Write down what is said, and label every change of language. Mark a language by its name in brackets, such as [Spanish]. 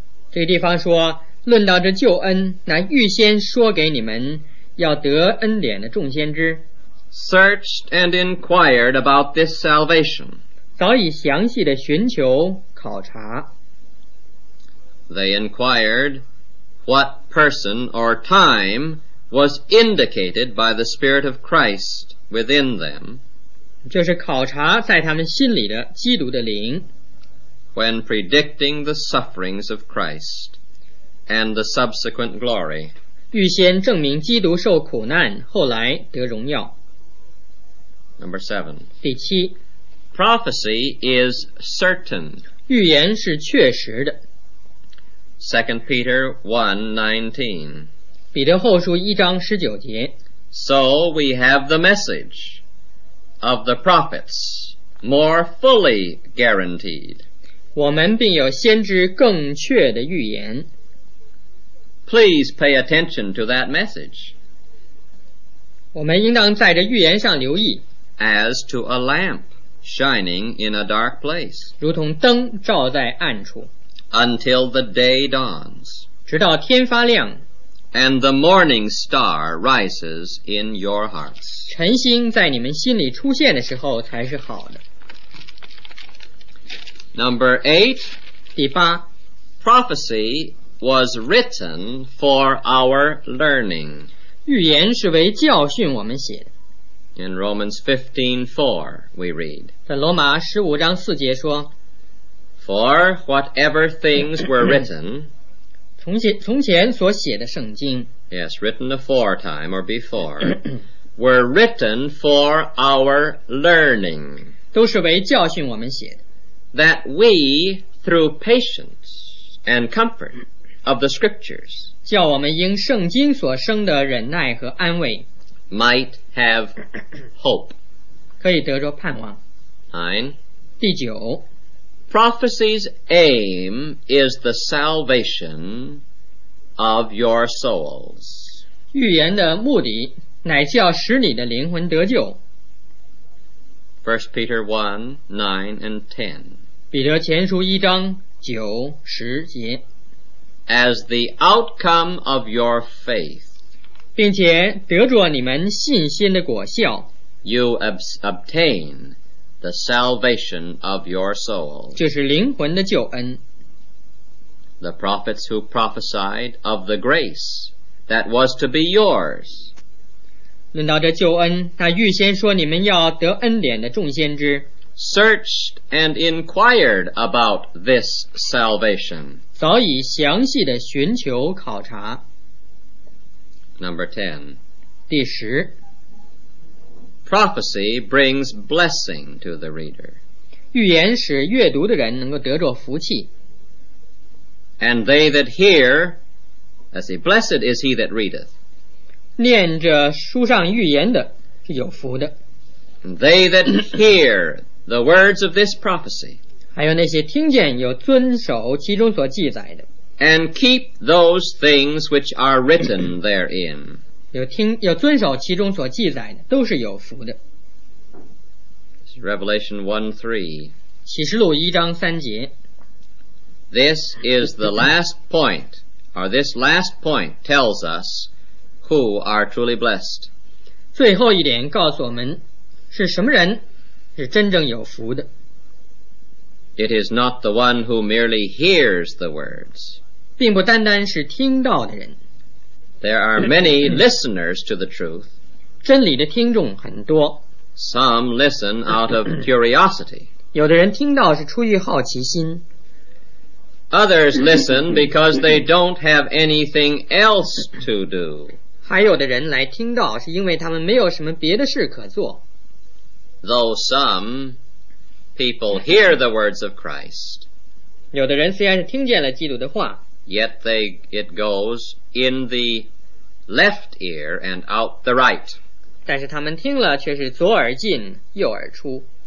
[Chinese] 这个地方说，论到这救恩，那预先说给你们要得恩典的众先知， [English] searched and inquired about this salvation. [Chinese] 早已详细地寻求考察。 [English] They inquired what person or time was indicated by the Spirit of Christ within them. [Chinese] 就是考察在他们心里的基督的灵。 [English] When predicting the sufferings of Christ and the subsequent glory. [Chinese] 预先证明基督受苦难，后来得荣耀。 [English] Number 7. [Chinese] 第七， [English] Prophecy is certain. [Chinese] 预言是确实的。 [English] 2 Peter 1:19. [Chinese] 彼得后书一章十九节。 [English] So we have the message of the prophets more fully guaranteed. [Chinese] 我们并有先知更确的预言。 [English] Please pay attention to that message. [Chinese] 我们应当在这预言上留意。 [English] As to a lamp shining in a dark place, [Chinese] 如同灯照在暗处， [English] until the day dawns, [Chinese] 直到天发亮， [English] and the morning star rises in your hearts, [Chinese] 晨星在你们心里出现的时候才是好的。 [English] Number 8, [Chinese] 第八， [English] Prophecy was written for our learning, [Chinese] 预言是为教训我们写的。 [English] In Romans 15:4, we read, [Chinese] 在罗马十五章四节说， [English] For whatever things were written, [Chinese] 从前所写的圣经， [English] Yes, written aforetime or before, were written for our learning, [Chinese] 都是为教训我们写的。 [English] That we, through patience and comfort of the scriptures, [Chinese] 叫我们因圣经所生的忍耐和安慰， [English] might have hope. [Chinese] 可以得着盼望。 [English] 9. [Chinese] 第九， [English] Prophecy's aim is the salvation of your souls. [Chinese] 预言的目的乃是要使你的灵魂得救。 [English] 1 Peter 1:9 and 10. [Chinese] 彼得前书一章九十节。 [English] As the outcome of your faith, [Chinese] 并且得着你们信心的果效， [English] You obtain the salvation of your soul. [Chinese] 就是灵魂的救恩。 [English] The prophets who prophesied of the grace that was to be yours. [Chinese] 论到这救恩，他预先说你们要得恩典的众先知。 [English] Searched and inquired about this salvation. [Chinese] 早已详细的寻求考察。 [English] Number 10. [Chinese] 第十。 [English] Prophecy brings blessing to the reader. [Chinese] 预言使阅读的人能够得着福气。 [English] And they that hear, as he blessed is he that readeth. [Chinese] 念着书上预言的是有福的。 [English] And they that hear the words of this prophecy. [Chinese] 还有那些听见有遵守其中所记载的。 [English] And keep those things which are written therein. [Chinese] 有遵守其中所记载的都是有福的。 [English] Revelation 1:3. [Chinese] 启示录一章三节。 [English] This is the last point, or this last point tells us who are truly blessed. [Chinese] 最后一点告诉我们是什么人是真正有福的。 [English] It is not the one who merely hears the words. [Chinese] 并不单单是听到的人。 [English] There are many listeners to the truth. [Chinese] 真理的听众很多。 [English] Some listen out of curiosity. [Chinese] 有的人听到是出于好奇心。 [English] Others listen because they don't have anything else to do. [Chinese] 还有的人来听到是因为他们没有什么别的事可做。 [English] Though some people hear the words of Christ, [Chinese] 有的人虽然是听见了基督的话, [English] yet it goes in the left ear and out the right. [Chinese] 但是他们听了却是左耳进右耳出。